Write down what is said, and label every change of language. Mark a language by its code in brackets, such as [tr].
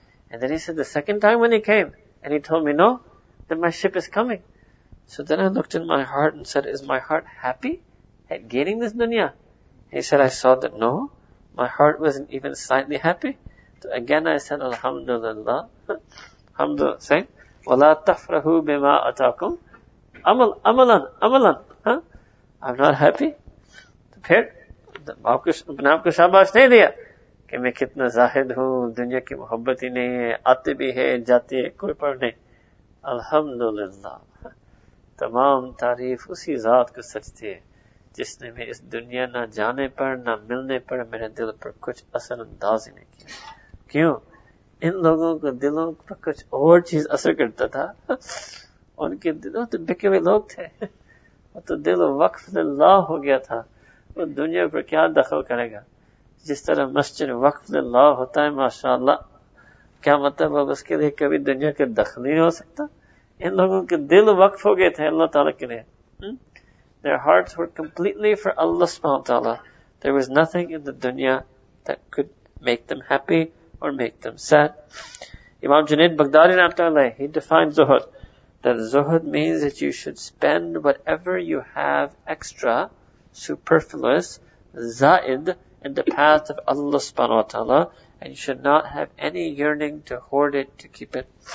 [en] And then he said, the second time when he came, and he told me, no, then my ship is coming. So then I looked in my heart and said, is my heart happy at gaining this dunya? He said, I saw that no, my heart wasn't even slightly happy. So again I said, Alhamdulillah. Alhamdulillah. Saying, [ar] وَلَا تَفْرَهُ بِمَا أَتَاكُمْ أَمَلًا. [en] Huh? I'm not happy. [ur] پھر اپنے آپ کو شاباش نہیں دیا کہ میں کتنا زاہد ہوں, دنیا کی محبت ہی نہیں ہے, آتے بھی ہے جاتے ہیں کوئی پر نہیں. الحمدللہ, تمام تعریف اسی ذات کو سجتی ہے جس نے میں اس دنیا نہ جانے پر نہ ملنے پر میرے دل پر کچھ اثر انداز ہی نہیں کیا. کیوں؟ ان لوگوں کے دلوں پر کچھ اور چیز اثر کرتا تھا. ان کے دلوں تو بکے ہوئے لوگ تھے, وہ تو دل وقف اللہ ہو گیا تھا, وہ دنیا پر کیا دخل کرے گا. جس طرح مسجد وقف اللہ ہوتا ہے ماشاءاللہ, کیا مطلب اب اس کے لیے کبھی دنیا کا دخل نہیں ہو سکتا؟ ان لوگوں کے دل وقف ہو گئے تھے اللہ تعالیٰ کے لیے. [en] Their hearts were completely for Allah subhanahu wa ta'ala. There was nothing in the dunya that could make them happy or make them sad. Imam Junaid Baghdadi, he defined zuhud, that zuhud means that you should spend whatever you have extra, superfluous, za'id, in the path of Allah subhanahu wa ta'ala, and you should not have any yearning to hoard it, to keep it.